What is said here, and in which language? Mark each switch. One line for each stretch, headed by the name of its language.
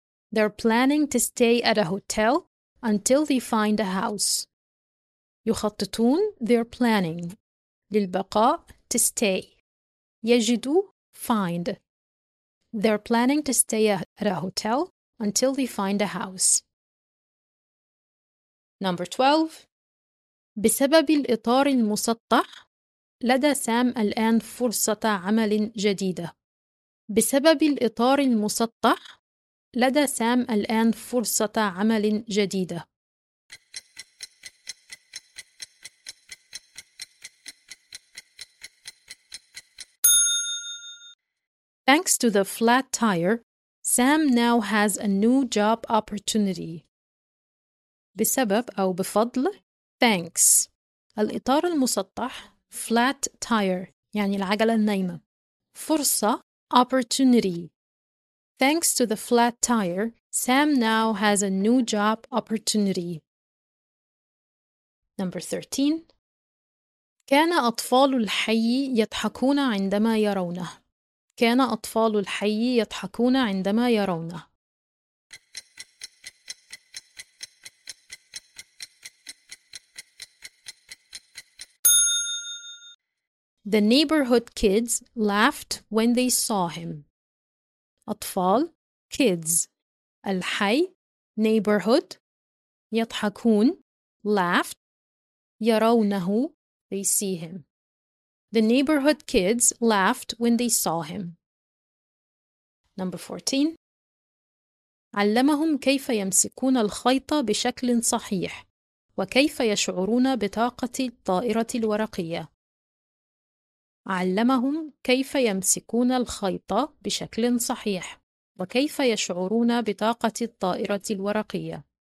English: They're planning to stay at a hotel until they find a house.
Arabic: يخططون,
English: they're planning,
Arabic: للبقاء,
English: to stay.
Arabic: يجدوا,
English: find. They're planning to stay at a hotel until they find a house. Number 12.
Arabic: بسبب الإطار المسطح لدى سام الآن فرصة عمل جديدة. بسبب الإطار المسطح لدى سام الآن فرصة عمل جديدة.
English: Thanks to the flat tire, Sam now has a new job opportunity.
Arabic: بسبب أو بفضل,
English: thanks.
Arabic: الإطار المسطح,
English: flat tire,
Arabic: يعني العجلة النايمة. فرصة,
English: opportunity. Thanks to the flat tire, Sam now has a new job opportunity. Number 13.
Arabic: كان أطفال الحي يضحكون عندما يرونه. كان أطفال الحي يضحكون عندما يرونه.
English: The neighborhood kids laughed when they saw him.
Arabic: أطفال
English: kids
Arabic: الحي
English: neighborhood
Arabic: يضحكون
English: laughed
Arabic: يرونه
English: they see him. The neighborhood kids laughed when they saw him. Number 14.
Arabic: علمهم كيف يمسكون الخيط بشكل صحيح وكيف يشعرون بطاقة الطائرة الورقية. علمهم كيف يمسكون الخيط بشكل صحيح وكيف يشعرون بطاقة الطائرة الورقية.